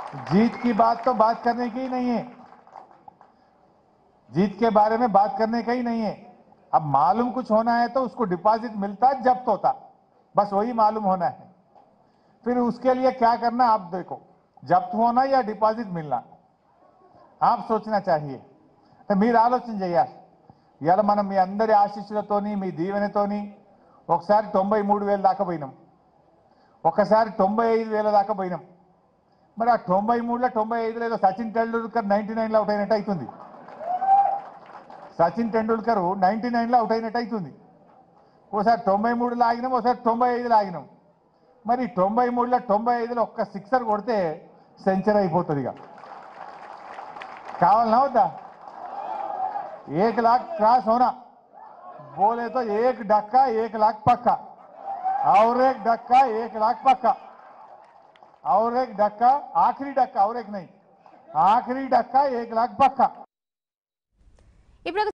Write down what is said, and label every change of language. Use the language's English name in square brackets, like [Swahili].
[Hindi] जीत की बात तो बात करने की ही नहीं है, जीत के बारे में बात करने का ही नहीं है. अब मालूम कुछ होना है तो उसको डिपॉजिट मिलता जब्त होता, बस वही मालूम होना है. फिर उसके लिए क्या करना आप देखो, जब्त होना या डिपॉजिट मिलना आप सोचना चाहिए. [Telugu] మీరు ఆలోచించేయాలి. ఇవాళ మనం మీ అందరి ఆశీస్సులతోని మీ దీవెనతోని ఒకసారి 93,000 దాకా పోయినాం, ఒకసారి 95,000 దాకా పోయినాం. మరి ఆ 93 లో 95 లేదో సచిన్ టెండూల్కర్ 99 లో అవుట్ అయినట్టు అవుతుంది. సచిన్ టెండూల్కర్ 99 లో అవుట్ అయినట్టు అవుతుంది. ఒకసారి 93 లాగినాం, ఒకసారి 95 లాగినాం. మరి 93 లో 95 లో ఒక్క సిక్సర్ కొడితే సెంచరీ అయిపోతుంది. ఇక కావాలన్నా వద్దా? [Hindi] एक लाख क्रॉस होना बोले तो एक डक्का एक लाख पक्का, और एक डक्का एक लाख पक्का, और एक डक्का आखिरी डक्का, और एक नहीं आखिरी डक्का एक लाख पक्का.